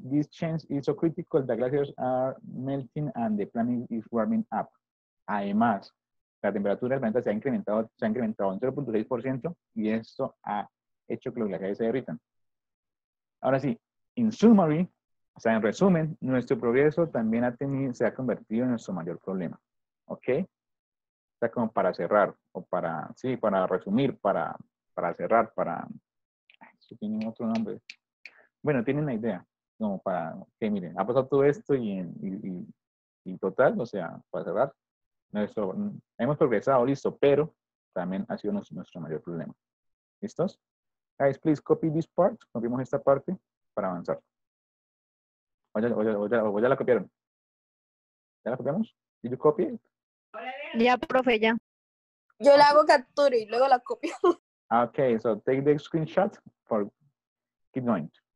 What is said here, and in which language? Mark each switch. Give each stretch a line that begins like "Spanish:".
English: This change is so critical that glaciers are melting and the planet is warming up.
Spanish: Además, la temperatura del planeta se ha incrementado un 0.6% y esto ha hecho que los glaciares se derritan. Ahora sí,
English: in summary,
Spanish: o sea, en resumen, nuestro progreso también se ha convertido en nuestro mayor problema. Okay. O sea, como para cerrar, o para, sí, para resumir, para cerrar, para... Eso tiene otro nombre. Bueno, tienen la idea. Como para, que miren, ha pasado todo esto y total, o sea, para cerrar. Hemos progresado, listo, pero también ha sido nuestro mayor problema. ¿Listos?
English: Guys, please copy this part.
Spanish: Copiamos esta parte para avanzar. O ya la copiaron. ¿Ya la copiamos? ¿Y tú copias? Ya, profe, ya. Yo la hago captura y luego la copio.
English: Okay, so take the screenshot for keep going.